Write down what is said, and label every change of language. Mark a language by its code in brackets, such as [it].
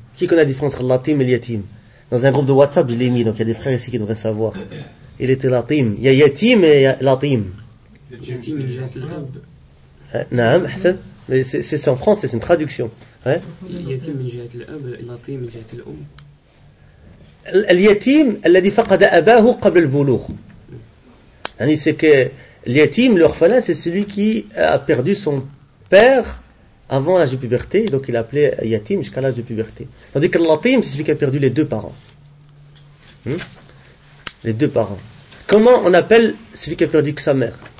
[fr] Qui connaît la différence entre latim et yatim? Dans un groupe de WhatsApp, je l'ai mis, donc il y a des frères ici qui devraient savoir. Il était latim. Il y a yatim et latim. [ar] Yatim min jihat al-ab. [fr] Naam, Hassan. C'est en français, c'est une traduction. [ar] Yatim min jihat al-ab, latim min jihat al-um. اليتيم الذي فقد أباه قبل البلوغ. يعني [fr] c'est que اليتيم l'orphelin c'est celui qui a perdu son père avant l'âge de puberté, donc il est appelé yatim jusqu'à l'âge de puberté. Tandis que l'atim, c'est celui qui a perdu les deux parents. Les deux parents. Comment on appelle celui qui a perdu que sa mère?